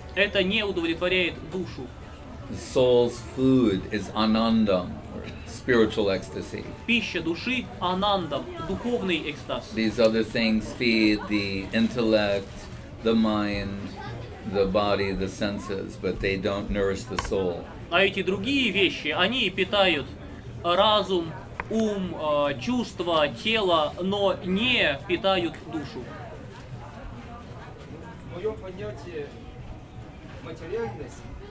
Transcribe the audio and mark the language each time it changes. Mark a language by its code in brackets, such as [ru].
[ru] Это не удовлетворяет душу. [en] The soul's food is анандам. Spiritual ecstasy. [ru] Пища души анандам, духовный экстаз. [en] These other things feed the intellect, the mind, the body, the senses, but they don't nourish the soul. [ru] А эти другие вещи, они питают разум, ум, чувства, тело, но не питают душу. Мое понятие материальности.